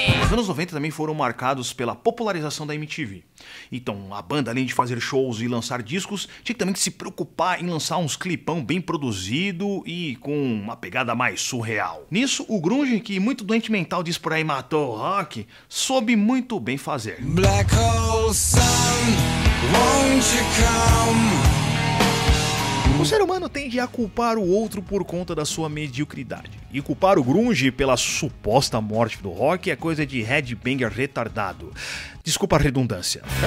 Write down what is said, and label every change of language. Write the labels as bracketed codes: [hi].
[pt] Os anos 90 também foram marcados pela popularização da MTV. Então, a banda, além de fazer shows e lançar discos, tinha que também se preocupar em lançar uns clipão bem produzido e com uma pegada mais surreal. Nisso, o grunge, que muito doente mental diz por aí matou o rock, soube muito bem fazer. [en] Black Hole Sun, won't you come? [pt] O ser humano tende a culpar o outro por conta da sua mediocridade. E culpar o grunge pela suposta morte do rock é coisa de headbanger retardado. Desculpa a redundância.